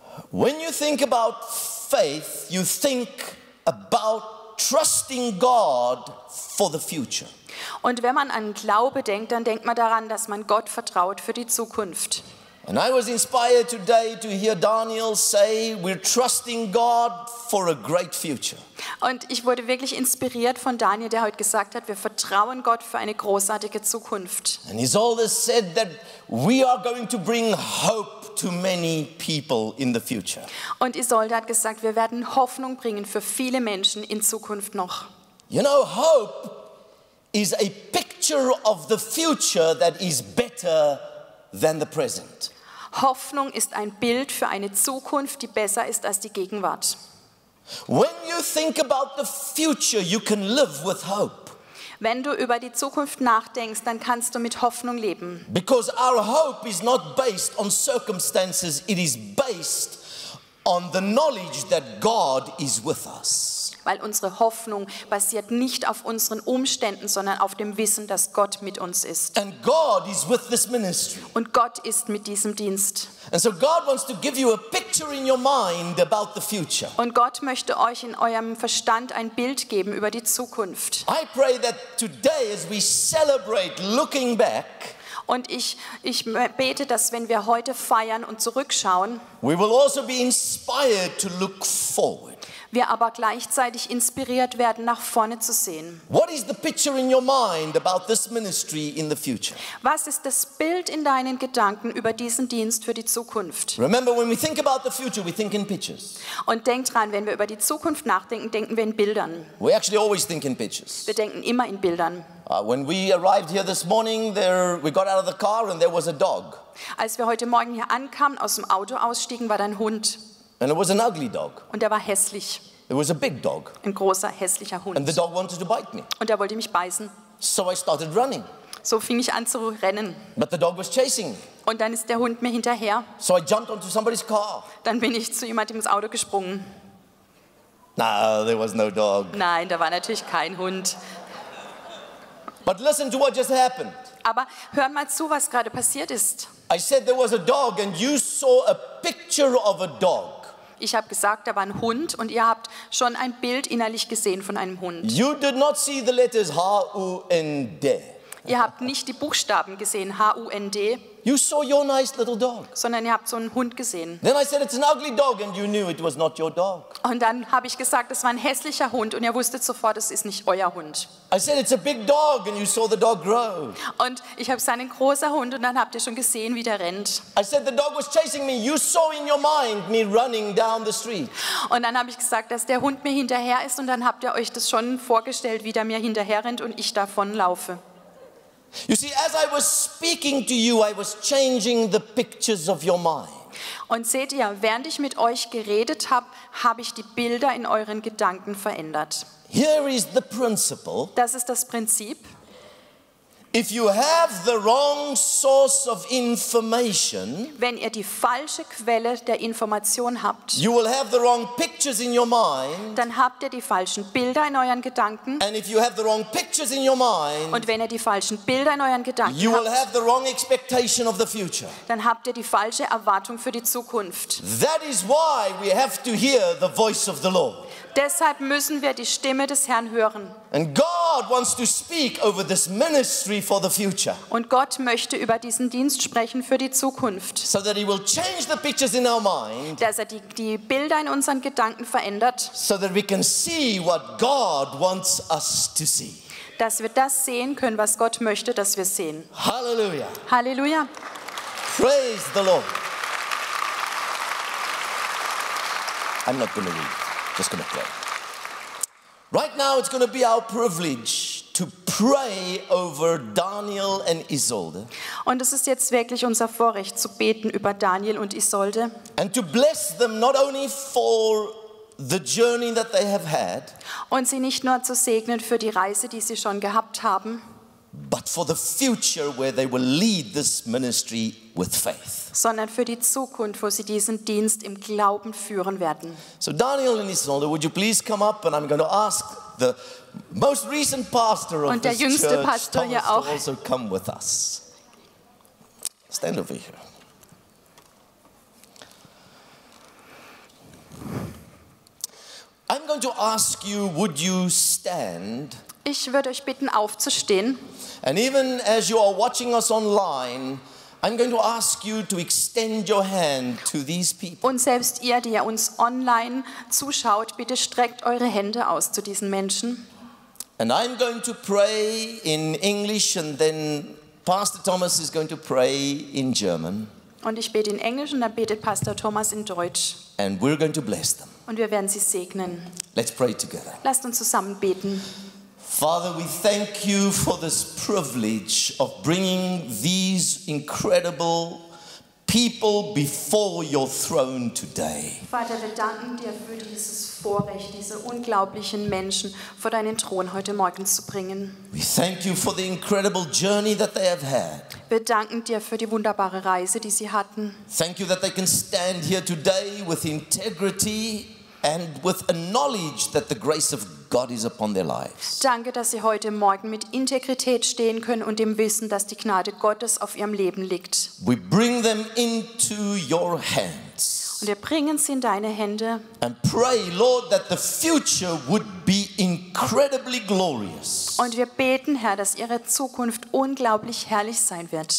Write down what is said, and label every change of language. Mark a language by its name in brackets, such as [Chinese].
[English] When you think about faith, you think about trusting God for the future. [German] Und wenn man an Glaube denkt, dann denkt man daran, dass man Gott vertraut für die Zukunft. [English] And I was inspired today to hear Daniel say, we're trusting God for a great future. [German] Und ich wurde wirklich inspiriert von Daniel, der heute gesagt hat, wir vertrauen Gott für eine großartige Zukunft. [English] And he's always said that we are going to bring hope to many people in the future. [German] Und Isolde hat gesagt, wir werden Hoffnung bringen für viele Menschen in Zukunft noch. [English] You know, hope is a picture of the future that is better than the present. [German] Hoffnung ist ein Bild für eine Zukunft, die besser ist als die Gegenwart. [English] When you think about the future, you can live with hope. [German] Wenn du über die Zukunft nachdenkst, dann kannst du mit Hoffnung leben. [English] Because our hope is not based on circumstances, it is based on the knowledge that God is with us. [German] weil unsere Hoffnung basiert nicht auf unseren Umständen, sondern auf dem Wissen, dass Gott mit uns ist. [English] And God is with this ministry. [German] Und Gott ist mit diesem Dienst. [English] And so God wants to give you a picture in your mind about the future. [German] Und Gott möchte euch in eurem Verstand ein Bild geben über die Zukunft. [English] I pray that today as we celebrate looking back. [German] Und ich bete, dass wenn wir heute feiern und zurückschauen, [English] we will also be inspired to look forward. [German] Wir aber gleichzeitig inspiriert werden, nach vorne zu sehen. [English] What is the picture in your mind about this ministry in the future? [German] Was ist das Bild in deinen Gedanken über diesen Dienst für die Zukunft? [English] Remember, when we think about the future, we think in pictures. [German] Und denk dran, wenn wir über die Zukunft nachdenken, denken wir in Bildern. [English] We actually always think in pictures. [German] Wir denken immer in Bildern. [English] When we arrived here this morning, we got out of the car and there was a dog. [German] Als wir heute Morgen hier ankamen, aus dem Auto ausstiegen, war da ein Hund. [English] And it was an ugly dog. [German] Und er war hässlich. [English] It was a big dog. [German] Ein großer, hässlicher Hund. [English] And the dog wanted to bite me. [German] Und er wollte mich beißen. [English] So I started running. [German] So fing ich an zu rennen. [English] But the dog was chasing me. [German] Und dann ist der Hund mir hinterher. [English] So I jumped onto somebody's car. [German] Dann bin ich zu jemandem ins Auto gesprungen. [English] No, there was no dog. [German] Nein, da war natürlich kein Hund. [English] But listen to what just happened. [German] Aber hör mal zu, was gerade passiert ist. [English] I said there was a dog and you saw a picture of a dog. [German] Ich habe gesagt, da war ein Hund und ihr habt schon ein Bild innerlich gesehen von einem Hund. [English] You did not see the letters H-U-N-D. [German] Ihr habt nicht die Buchstaben gesehen, H-U-N-D. [English] You saw your nice little dog. [German] Sondern ihr habt so einen Hund gesehen. [English] Then I said it's an ugly dog and you knew it was not your dog. [German] Und dann habe ich gesagt, es war ein hässlicher Hund und ihr wusstet sofort, es ist nicht euer Hund. [English] I said it's a big dog and you saw the dog grow. [German] Und ich habe gesagt, ein großer Hund und dann habt ihr schon gesehen, wie der rennt. [English] I said the dog was chasing me. You saw in your mind me running down the street. [German] Und dann habe ich gesagt, dass der Hund mir hinterher ist und dann habt ihr euch das schon vorgestellt, wie der mir hinterher rennt und ich davon laufe. [English] You see, as I was speaking to you, I was changing the pictures of your mind. [German] Und seht ihr, während ich mit euch geredet habe, habe ich die Bilder in euren Gedanken verändert. [English] Here is the principle. [German] Das ist das Prinzip. [English] If you have the wrong source of information, [German] wenn ihr die falsche Quelle der Information habt, [English] you will have the wrong pictures in your mind, [German] dann habt ihr die falschen Bilder in euren Gedanken. [English] And if you have the wrong pictures in your mind, [German] und wenn ihr die falschen Bilder in euren Gedanken [English] you [German] habt, [English] will have the wrong expectation of the future. [German] Dann habt ihr die falsche Erwartung für die Zukunft. [English] That is why we have to hear the voice of the Lord. [German] Deshalb müssen wir die Stimme des Herrn hören. [English] And God wants to speak over this ministry for the future. [German] Und Gott möchte über diesen Dienst sprechen für die Zukunft. [English] So that he will change the pictures in our mind. [German] Dass er die Bilder in unseren Gedanken verändert. [English] So that we can see what God wants us to see. [German] Dass wir das sehen können, was Gott möchte, dass wir sehen. [English] Hallelujah. [German] Hallelujah. [English] Praise the Lord. I'm not going to read. Just going to pray. Right now it's going to be our privilege to pray over Daniel and Isolde. [German] Und es ist jetzt wirklich unser Vorrecht zu beten über Daniel und Isolde. [English] And to bless them not only for the journey that they have had. [German] Und sie nicht nur zu segnen für die Reise, die sie schon gehabt haben. [English] But for the future where they will lead this ministry with faith. [German] Sondern für die Zukunft, wo sie diesen Dienst im Glauben führen werden. [English] So Daniel and Isolde, would you please come up and I'm going to ask the most recent pastor of this [German] jüngste [English] church, [German] Pastor Thomas, hier auch. [English] To also come with us. Stand over here. I'm going to ask you, would you stand? [German] Ich würde euch bitten, aufzustehen. [English] And even as you are watching us online, I'm going to ask you to extend your hand to these people. [German] Und selbst ihr, die ihr uns online zuschaut, bitte streckt eure Hände aus zu diesen Menschen. [English] And I'm going to pray in English and then Pastor Thomas is going to pray in German. [German] Und ich bete in Englisch und dann betet Pastor Thomas in Deutsch. [English] And we're going to bless them. [German] Und wir werden sie segnen. [English] Let's pray together. [German] Lasst uns zusammen beten. [English] Father, we thank you for this privilege of bringing these incredible people before your throne today. [German] Vater, wir danken dir für dieses Vorrecht, diese unglaublichen Menschen vor deinen Thron heute Morgen zu bringen. [English] We thank you for the incredible journey that they have had. [German] Wir danken dir für die wunderbare Reise, die sie hatten. [English] Thank you that they can stand here today with integrity and with a knowledge that the grace of God is upon their lives. [German] Danke, dass sie heute Morgen mit Integrität stehen können und dem Wissen, dass die Gnade Gottes auf ihrem Leben liegt. [English] We bring them into your hands. [German] Und wir bringen sie in deine Hände. [English] And pray, Lord, that the future would be incredibly glorious. [German] Und wir beten, Herr, dass ihre Zukunft unglaublich herrlich sein wird.